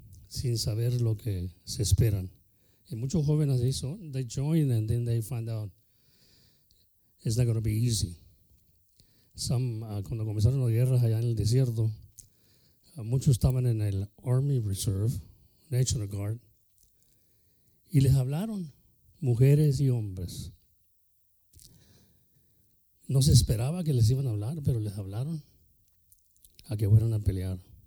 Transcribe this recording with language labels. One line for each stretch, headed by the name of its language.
Spanish: Sin saber lo que se esperan. Y muchos jóvenes así son.
English: They join and then they find out it's not going to be easy.
Spanish: Cuando comenzaron las guerras allá en el desierto, muchos estaban en el Army Reserve, National Guard, y les hablaron, mujeres y hombres. No se esperaba que les iban a hablar, pero les hablaron a que fueran a pelear.